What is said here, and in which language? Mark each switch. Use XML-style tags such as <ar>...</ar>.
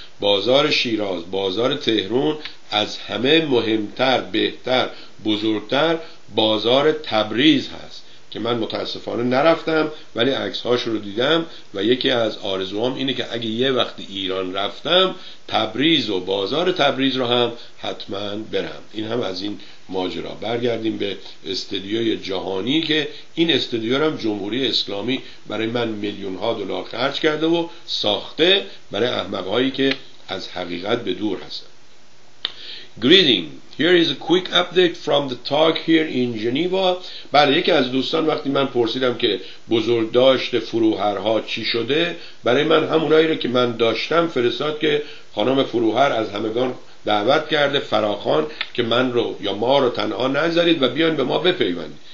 <fa>بازار شیراز، بازار تهران از همه مهمتر، بهتر، بزرگتر بازار تبریز هست که من متاسفانه نرفتم ولی عکس هاش رو دیدم و یکی از آرزوام اینه که اگه یه وقت ایران رفتم تبریز و بازار تبریز رو هم حتما برم. این هم از این ماجرا. برگردیم به استودیوی جهانی که این استودیو هم جمهوری اسلامی برای من میلیون ها دلار خرج کرده و ساخته برای احمقایی که از حقیقت به دور هستن.</fa> <en>Greeting. Here is a quick update from the talk here in Geneva.</en> <fa>بله، یکی از دوستان وقتی من پرسیدم که بزرگداشت فروهرها چی شده، برای من همونایی رو که من داشتم فرستاد که خانم فروهر از همگان دعوت کرده فراخوان که من رو یا ما رو تنها نذارید و بیان به ما بپیوندید.</fa>